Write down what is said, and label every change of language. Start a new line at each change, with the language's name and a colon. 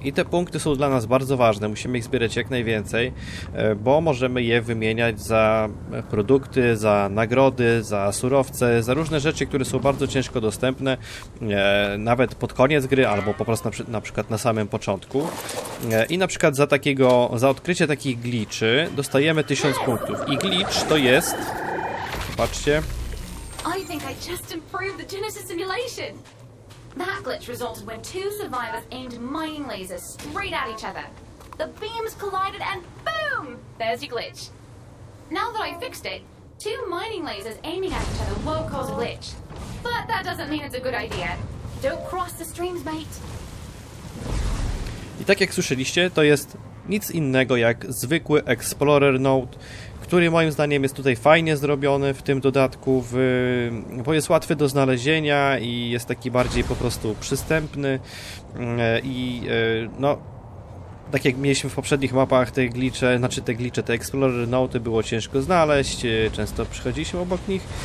Polish: I te punkty są dla nas bardzo ważne. Musimy ich zbierać jak najwięcej, bo możemy je wymieniać za produkty, za nagrody, za surowce, za różne rzeczy, które są bardzo ciężko dostępne, nawet pod koniec gry, albo po prostu na przykład na samym początku. I na przykład za odkrycie takich glitchy dostajemy 1000 punktów. I glitch to jest... Zobaczcie.
English: I think I just improved the Genesis simulation. That glitch resulted when two survivors aimed mining lasers straight at each other. The beams collided and boom! There's your glitch. Now that I fixed it, two mining lasers aiming at each other won't cause a glitch. But that doesn't mean it's a good idea. Don't cross the streams, mate.
Polish: I tak jak słyszeliście, to jest nic innego jak zwykły Explorer Node, który moim zdaniem jest tutaj fajnie zrobiony w tym dodatku, bo jest łatwy do znalezienia i jest taki bardziej po prostu przystępny. I no, tak jak mieliśmy w poprzednich mapach te Explorer Note, było ciężko znaleźć, często przychodziliśmy obok nich.